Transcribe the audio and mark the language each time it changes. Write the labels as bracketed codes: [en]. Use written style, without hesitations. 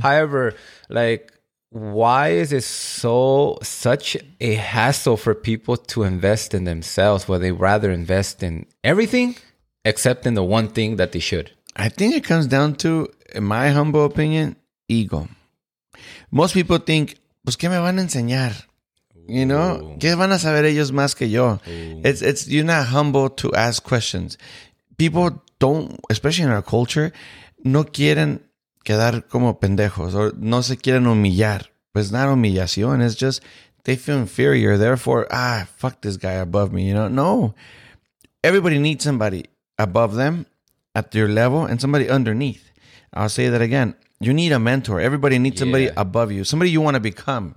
[en] However, like, why is it such a hassle for people to invest in themselves where they rather invest in everything except in the one thing that they should? I think it comes down to, in my humble opinion, ego. [es] Most people think, pues, ¿qué me van a enseñar? You know, ooh, ¿qué van a saber ellos más que yo? [en] It's you're not humble to ask questions. People don't, especially in our culture, no quieren [es] quedar como pendejos, or no se quieren humillar. [en] Pues not humillación, it's just they feel inferior, therefore, ah, fuck this guy above me, you know? No. Everybody needs somebody above them at your level and somebody underneath. I'll say that again. You need a mentor. Everybody needs somebody above you, somebody you want to become.